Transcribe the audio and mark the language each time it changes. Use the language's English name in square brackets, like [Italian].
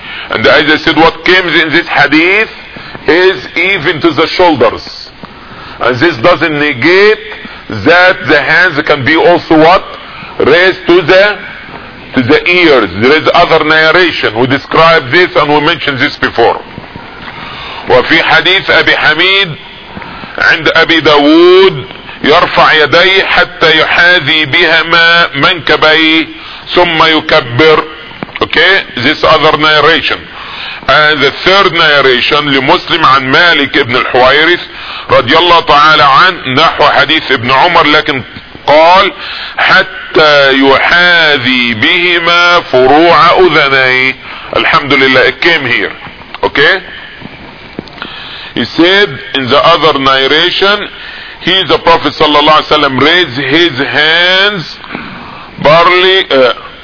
[English] And as I said, what comes in this hadith is even to the shoulders. And this doesn't negate that the hands can be also what? Raised to the ears. There is other narration. We described this and we mentioned this before. [Arabic] وفي حديث أبي حميد عند أبي داود يرفع يديه حتى يحاذي بهما منكبيه ثم يكبر. [English] Okay, this other narration. And the third narration [Arabic] لمسلم عن مالك ابن الحويرث رضي الله تعالى عن نحو حديث ابن عمر لكن قال حتى يحاذي بهما فروع أذنيه. الحمد لله. [English] It came here. Okay. He said in the other narration, he, the Prophet sallallahu alaihi wasallam, raised his hands parallel.